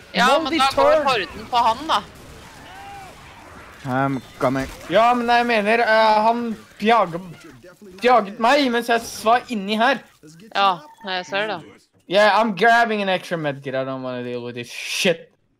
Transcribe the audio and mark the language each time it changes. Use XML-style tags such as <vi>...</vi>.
<no>Ja, men da går horden på han, da.</no> <en>I'm coming.</en> <no>Ja, men jeg mener, han jaget meg mens jeg var inni her. Ja, jeg ser det.</no> <en>Yeah, I'm grabbing an extra medkit. I don't wanna deal with this shit.</en>